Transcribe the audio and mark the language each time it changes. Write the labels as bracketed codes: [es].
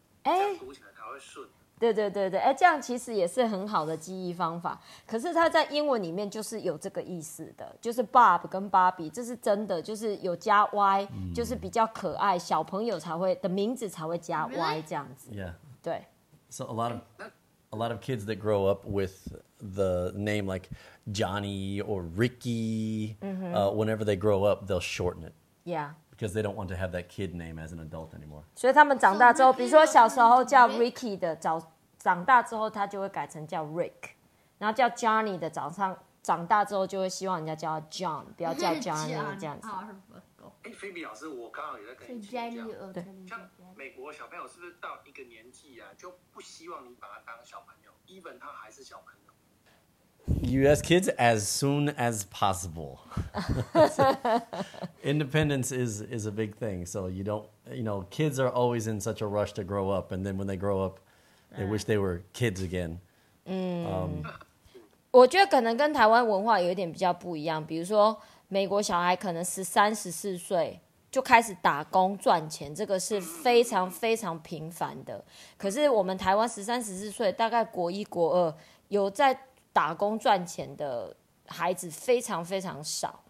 [zh] 哎，读起来才会顺。对对对对，哎，这样其实也是很好的记忆方法。可是它在英文里面就是有这个意思的，就是 Bob 跟 Barbie， 这是真的，就是有加 Y，嗯，就是比较可爱，小朋友才会的名字才会加 Y， [en] really? [zh] 这样子。 [en] Yeah. [zh] 对。 [en] So a lot of kids that grow up with the name like Johnny or Ricky, mm-hmm. Whenever they grow up, they'll shorten it. Yeah. Because they don't want to have that kid name as an adult anymore. [zh] 所以他们长大之后，比如说小时候叫 Ricky 的，长大之后他就会改成叫 Rick， 然后叫 Johnny 的长大之后就会希望人家叫 John， 不要叫 [en] Johnny [zh] 这样子。哎，菲比老师，我刚好也在跟你请教，对。美国小朋友是不是到一个年纪啊，就不希望你把他当小朋友 ，even 他还是小朋友 [en] ？U.S. kids as soon as possible. Independence is a big thing, so you don't, you know, kids are always in such a rush to grow up, and then when they grow up, they wish they were kids again. [zh] 我觉得可能跟台湾文化有点比较不一样，比如说美国小孩可能13、14岁。就开始打工赚钱，这个是非常非常频繁的。可是我们台湾13、14岁，大概国一、国二有在打工赚钱的孩子非常非常少。